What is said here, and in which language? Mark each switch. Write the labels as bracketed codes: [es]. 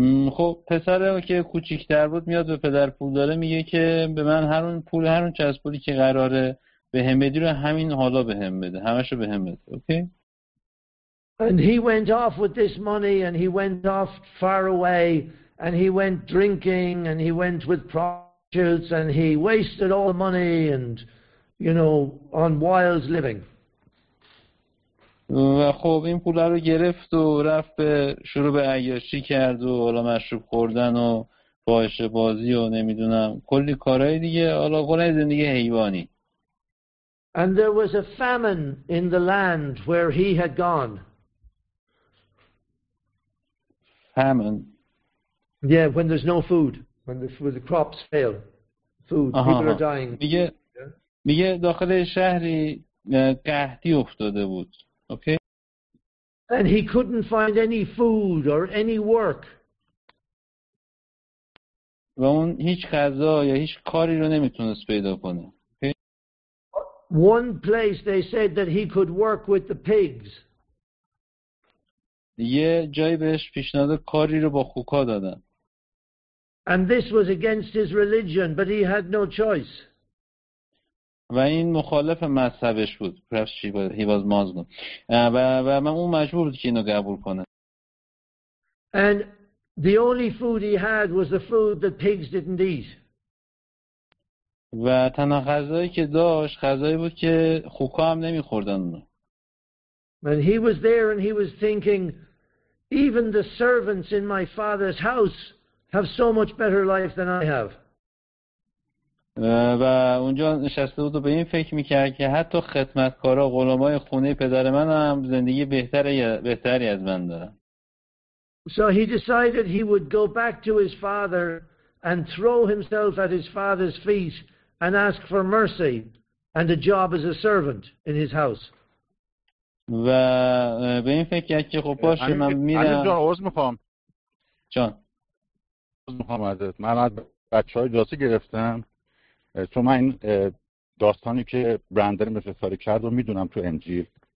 [fa] خب پسر که کوچیک‌تر بود میاد به پدر پول داره میگه که به من هر اون پول هر اون چسب پولی که قراره به هم بدی رو همین حالا به هم بده همشو به هم بده. اوکی. [en] And he went off with this money and he went off far away and he went drinking and he went with prostitutes and he wasted all the money and you know on wild living. [fa] و خب این پولا رو گرفت و رفت به شروع به عیاشی کرد و حالا مشروب خوردن و فاحشه بازی و نمیدونم کلی کارهای دیگه حالا کلی زندگی حیوانی. [en] And there was a famine in the land where he had gone. Famine? Yeah, when there's no food. When the crops fail. Food. [fa] آها. [en] People are dying. [fa] میگه داخل شهری قحطی افتاده بود. [en] Okay. And he couldn't find any food or any work. [fa] و اون هیچ غذا یا هیچ کاری رو نمیتونست پیدا کنه. [en] One place they said that he could work with the pigs. [fa] یه جایی بهش پیشنهاد کاری رو با خوک‌ها دادن. [en] And this was against his religion, but he had no choice. [fa] و این مخالف مذهبش بود. [en] Perhaps he was Muslim. [fa] و من اون مجبور بود که اینو قبول کنه. [en] And the only food he had was the food that pigs didn't eat. [fa] و تنها غذایی که داشت غذایی بود که خوک‌ها هم نمی‌خوردن اونو. [en] And he was there and he was thinking even the servants in my father's house have so much better life than I have. [fa] و اونجا نشسته بود و به این فکر می‌کرد که حتی خدمتکارا غلامای خونه پدر من هم زندگی بهتری از من دارن. [en] So he decided he would go back to his father and throw himself at his father's feet and ask for mercy and a job as a servant in his house. [fa] و به این فکر کرد که خب باشه من میرم. علی جان عذر میخوام. جان. عذر میخوام ازت. من از بچه های جاسی گرفتم. تو من این داستانی که برندر مفصلی کرد و میدونم تو انجیل.